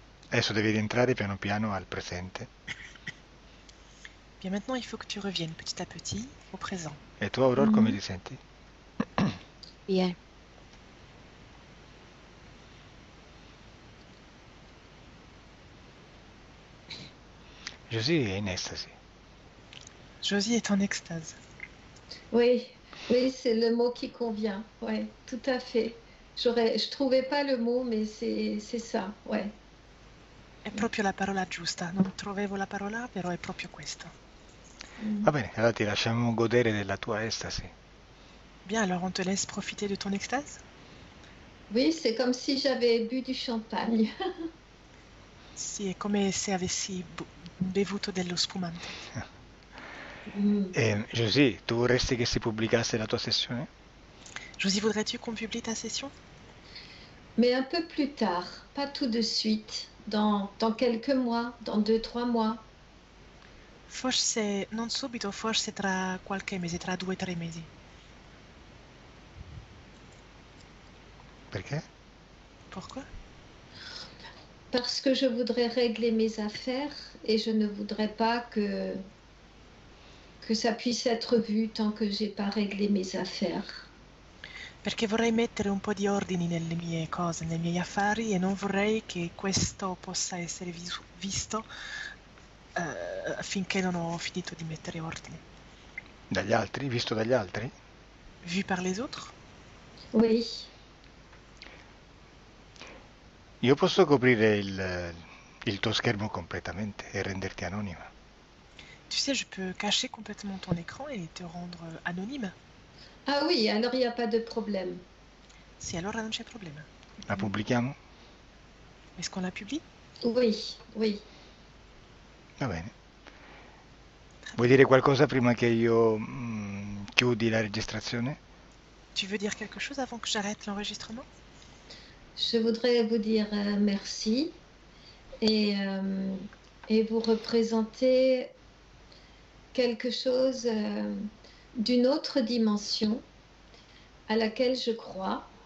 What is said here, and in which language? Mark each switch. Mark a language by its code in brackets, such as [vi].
[it] Adesso devi rientrare piano piano al presente. [fr] Bien, maintenant, il faut que tu reviennes petit à petit au présent. [it] E tu, Aurore, come ti senti? [fr] Bien. [it] Josie è in estasi. [fr] Josie est en extase. Oui, c'est le mot qui convient. Ouais, tout à fait. Je trouvais pas le mot, mais c'est ça. Ouais. [it] Proprio la parola giusta, non trovavo la parola, però è proprio questa. Va bene, allora ti lasciamo godere della tua estasi. [fr] Bien, alors on te laisse profiter de ton extase? Oui, c'est comme si j'avais bu du champagne. [it] Sì, è come se avessi bevuto dello spumante. Josie, tu vorresti che si pubblicasse la tua sessione? [fr] Josie, voudrais-tu qu'on publie ta session? Mais un peu plus tard, pas tout de suite. Dans quelques mois, dans 2, 3 mois. [it] Forse, non subito, forse tra qualche mese, tra 2 o 3 mesi. Perché? [fr] Pourquoi? Parce que je voudrais régler mes affaires et je ne voudrais pas que ça puisse être vu tant que j'ai pas réglé mes affaires. [it] Perché vorrei mettere un po' di ordini nelle mie cose, nei miei affari, e non vorrei che questo possa essere visto finché non ho finito di mettere ordini. Dagli altri, visto dagli altri? [fr] Vu par les autres? Oui. [it] Io posso coprire il tuo schermo completamente e renderti anonima. [fr] Tu sais, je peux cacher complètement ton écran et te rendre anonyme. Ah oui, alors il n'y a pas de problème. [it] Si, allora non c'è problema. La pubblichiamo? [fr] Est-ce qu'on la publie? Oui. [it] Va bene. Vuoi dire qualcosa prima che io chiudi la registrazione? [fr] Tu veux dire quelque chose avant que j'arrête l'enregistrement? Je voudrais vous dire merci et vous représenter quelque chose d'une autre dimension à laquelle je crois.